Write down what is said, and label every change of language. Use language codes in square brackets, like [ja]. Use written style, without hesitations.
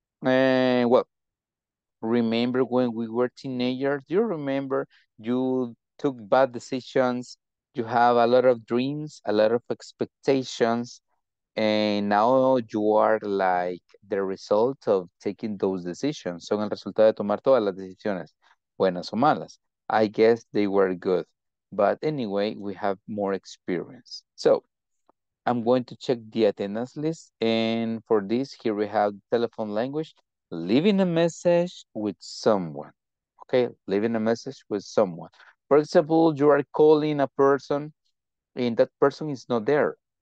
[en] And well, remember when we were teenagers? Do you remember you took bad decisions? You have a lot of dreams, a lot of expectations. And now you are like the result of taking those decisions. [es] Son el resultado de tomar todas las decisiones, buenas o malas. [en] I guess they were good. But anyway, we have more experience. So I'm going to check the attendance list. And for this, here we have telephone language, leaving a message with someone. Okay, leaving a message with someone. For example, you are calling a person and that person is not there.